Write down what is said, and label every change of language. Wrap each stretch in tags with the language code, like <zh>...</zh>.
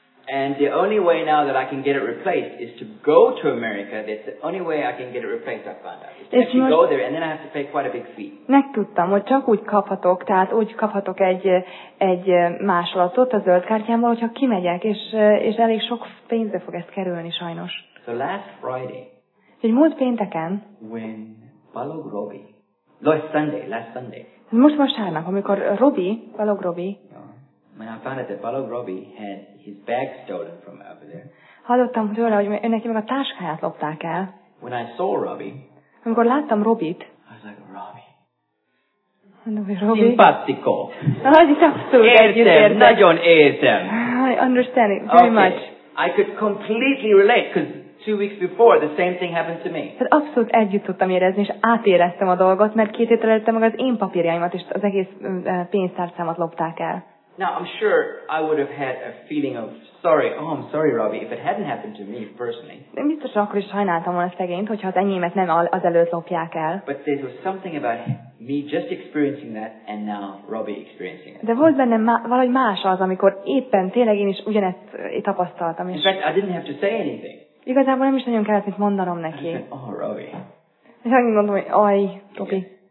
<en>And the only way now that I can get it replaced is to go to America. That's the only way I can get it replaced, I found out. It's to go there, and then I have to pay quite a big fee.</en> <hu>Megtudtam, hogy csak úgy kaphatok, tehát úgy kaphatok egy másolatot a zöld kártyámból, hogyha kimegyek, és elég sok pénzbe fog ezt kerülni, sajnos.</hu> <en>So last Friday,</en> <hu>egy múlt pénteken,</hu> <en>when Balog Robi, last Sunday,</en> <hu>most vasárnap, amikor Robi, Balog Robi,</hu> <en>when I found out that Balog Robi had his bag stolen from over there,</en> <hu>hallottam tőle, hogy neki meg a táskáját lopták el.</hu> <en>When I saw Robi,</en> <hu>amikor láttam Robit,</hu> <en>I was like, Robi,</en> <it>simpatico,</it> <hu>nagyon értem.</hu> <en>I understand it very much. I could completely relate, because 2 weeks before, the same thing happened to me.</en> <hu>Tehát abszolút együtt tudtam érezni, és átéreztem a dolgot, mert két héttel előtte meg az én papírjaimat és az egész pénztárcámat lopták el.</hu> <en>Now, I'm sure I would have had a feeling of sorry. Oh, I'm sorry, Robbie, if it hadn't happened to me personally.</en> <hu>De biztos akkor is sajnáltam volna szegényt, hogyha az enyémet nem az előtt lopják el.</hu> <en>But there was something about me just experiencing that, and now Robbie experiencing it.</en> <hu>De volt bennem valahogy más az, amikor éppen tényleg én is ugyanezt tapasztaltam.</hu> <en>In fact, I didn't have to say anything.</en> <hu>Igazából nem is nagyon kellett mit mondanom neki.</hu> <en>Oh, Robi.</en> <hu>És annyit mondom, hogy oj, Robi.</hu>